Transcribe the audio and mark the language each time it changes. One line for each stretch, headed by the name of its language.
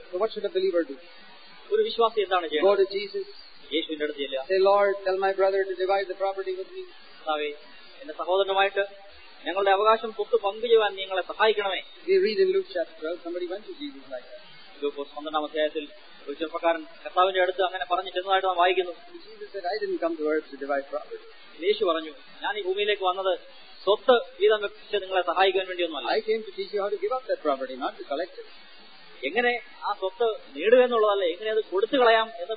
English: So what should a believer do?
Malayalam: ഒരു വിശ്വാസി എന്താണ് ചെയ്യേണ്ടത്?
English: Go to Jesus.
Malayalam: യേശുവിന്റെ അടുത്ത് ചെല്ലുക.
English: Say, Lord, tell my brother to divide the property with me.
Malayalam: കർത്താവേ, എന്റെ സഹോദരനുമായിട്ട് ഞങ്ങളുടെ അവകാശം സ്വത്ത് പങ്കുചെയ്യാൻ നിങ്ങളെ സഹായിക്കണമേ.
English: We read in Luke chapter 12, somebody went to Jesus like that.
Malayalam: ലൂക്കോസ് 12 അധ്യായത്തിൽ ഒരു ചെറുപ്പക്കാരൻ കർത്താവിന്റെ അടുത്ത് അങ്ങനെ പറഞ്ഞു ചെന്നതായിട്ട് നാം വായിക്കുന്നു.
English: Jesus said, I didn't come to earth to divide property.
Malayalam: യേശു പറഞ്ഞു, ഞാൻ ഈ ഭൂമിയിലേക്ക് വന്നത് സ്വത്ത് വീതം വെച്ച് നിങ്ങളെ സഹായിക്കാൻ വേണ്ടിയൊന്നുമല്ല.
English: I came to teach you how to give up that property, not to collect it.
Malayalam: എങ്ങനെ ആ സ്വത്ത് നേടുക എന്നുള്ളതല്ല, എങ്ങനെ അത് കൊടുത്തു കളയാം എന്ന്